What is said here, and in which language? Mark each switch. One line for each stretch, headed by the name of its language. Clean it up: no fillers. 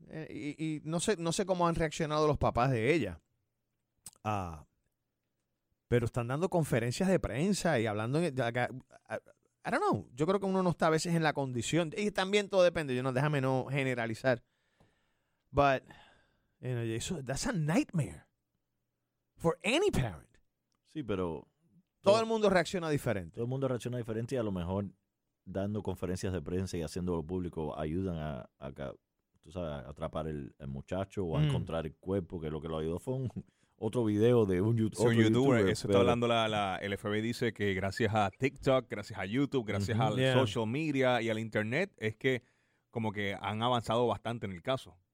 Spanish: Y no sé cómo han reaccionado los papás de ella. Pero están dando conferencias de prensa y hablando.
English: I don't know.
Spanish: Yo creo que uno no está a veces en la condición. Y también todo depende.
English: You know,
Spanish: déjame no generalizar.
English: But, you know, so that's a nightmare for any parent.
Spanish: Sí, pero... Todo el mundo reacciona diferente. Todo el mundo reacciona diferente y a lo mejor dando conferencias de prensa y haciéndolo público ayudan a tú sabes, atrapar el muchacho o a encontrar el cuerpo, que lo ayudó fue un... Otro video de un YouTuber. Eso está hablando el FBI dice que gracias a TikTok, gracias a YouTube, gracias al social media y al internet, es que como que han avanzado bastante en el caso.